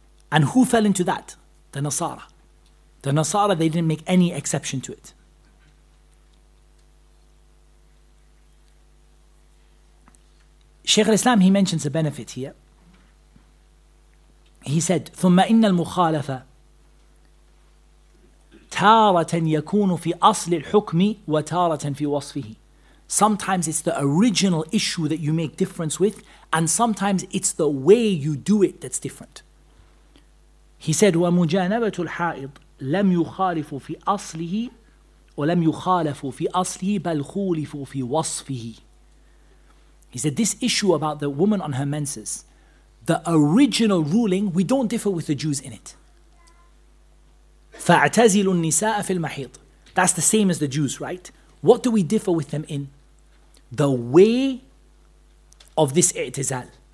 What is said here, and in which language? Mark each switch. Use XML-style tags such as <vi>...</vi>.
<en>And who fell into that? The Nasara. The Nasara, they didn't make any exception to it. Shaykh al-Islam, he mentions a benefit here. He said,</en> <ar>ثُمَّ إِنَّ الْمُخَالَفَ تَارَةً يَكُونُ فِي أَصْلِ الْحُكْمِ وَتَارَةً فِي وَصْفِهِ.</ar> <en>Sometimes it's the original issue that you make difference with, and sometimes it's the way you do it that's different. He said,</en> <ar>وَمُجَانَبَةُ الْحَائِضِ لَمْ يُخَالِفُ فِي أَصْلِهِ وَلَمْ يُخَالَفُ فِي أَصْلِهِ بَلْ خُولِفُ فِي وَصْفِهِ.</ar> <en>He said, this issue about the woman on her menses, the original ruling, we don't differ with the Jews in it.</en> <ar>فَاعْتَزِلُ النِّسَاءَ فِي الْمَحِيطِ.</ar> <en>That's the same as the Jews, right? What do we differ with them in? The way of this i'tizal.</en>